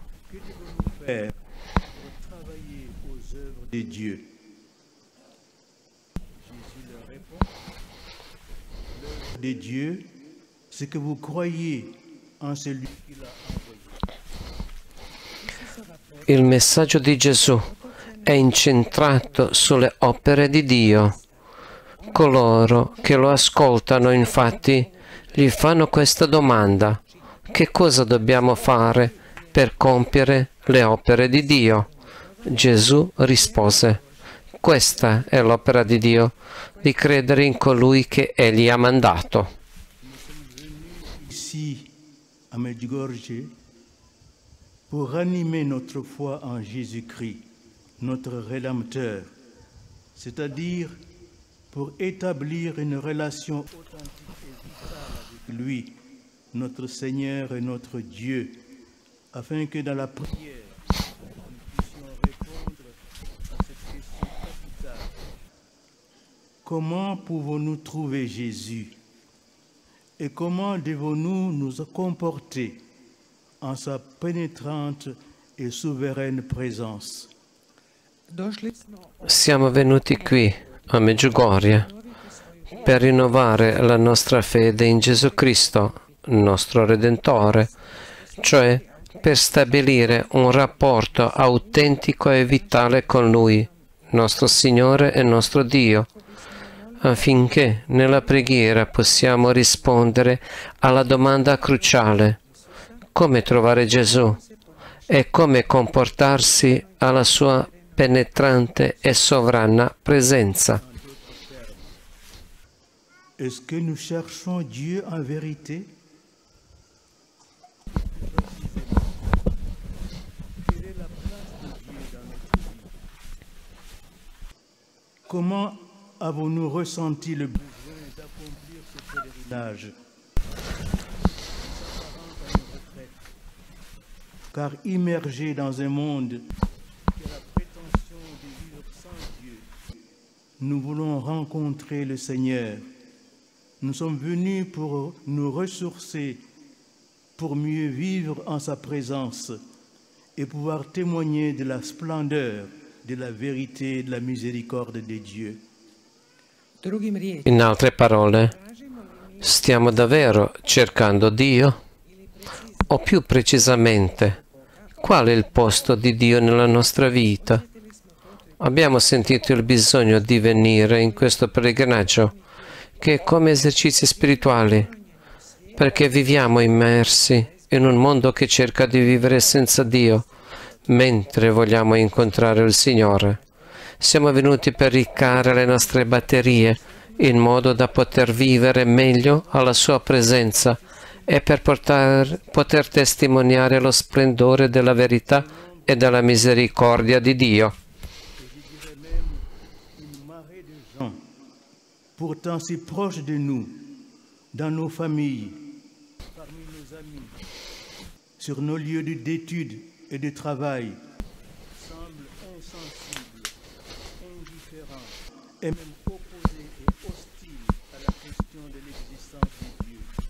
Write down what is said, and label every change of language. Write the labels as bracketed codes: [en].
[fr] Que devons-nous faire pour travailler aux œuvres de Dieu? Jésus leur répond, l'œuvre de Dieu, c'est que vous croyez en celui qui l'a envoyé. [it] Il messaggio di Gesù è incentrato sulle opere di Dio. Coloro che lo ascoltano, infatti, gli fanno questa domanda: che cosa dobbiamo fare per compiere le opere di Dio? Gesù rispose: questa è l'opera di Dio, di credere in colui che Egli ha mandato. Sì, a Medjugorje, per animare [fr] notre foi en Jésus-Christ, notre rédempteur, c'est-à-dire pour établir une relation authentique et vitale avec lui, notre Seigneur et notre Dieu, afin que dans la prière, nous puissions répondre à cette question capitale. Comment pouvons-nous trouver Jésus? Et comment devons-nous nous comporter en sa pénétrante et souveraine présence? [it] Siamo venuti qui, a Medjugorje, per rinnovare la nostra fede in Gesù Cristo, nostro Redentore, cioè per stabilire un rapporto autentico e vitale con Lui, nostro Signore e nostro Dio, affinché nella preghiera possiamo rispondere alla domanda cruciale: come trovare Gesù e come comportarsi alla sua penetrante e sovrana presenza. [fr] Est-ce que nous cherchons Dieu en vérité? Quelle est la place de Dieu dans notre vie? Comment avons-nous ressenti le besoin d'accomplir ce pèlerinage? Car immergé dans un monde, nous voulons rencontrer le Seigneur. Nous sommes venus pour nous ressourcer, pour mieux vivre en sa présence et pouvoir témoigner de la splendeur, de la vérité, de la miséricorde de Dieu. [it] In altre parole, stiamo davvero cercando Dio? O più precisamente, qual è il posto di Dio nella nostra vita? Abbiamo sentito il bisogno di venire in questo pellegrinaggio, che è come esercizi spirituali, perché viviamo immersi in un mondo che cerca di vivere senza Dio, mentre vogliamo incontrare il Signore. Siamo venuti per ricaricare le nostre batterie in modo da poter vivere meglio alla Sua presenza e per poter testimoniare lo splendore della verità e della misericordia di Dio. [fr] Pourtant si proche de nous, dans nos familles, parmi nos amis, sur nos lieux d'études et de travail, semble insensible, indifférent, et même opposé et hostile à la question de l'existence de Dieu.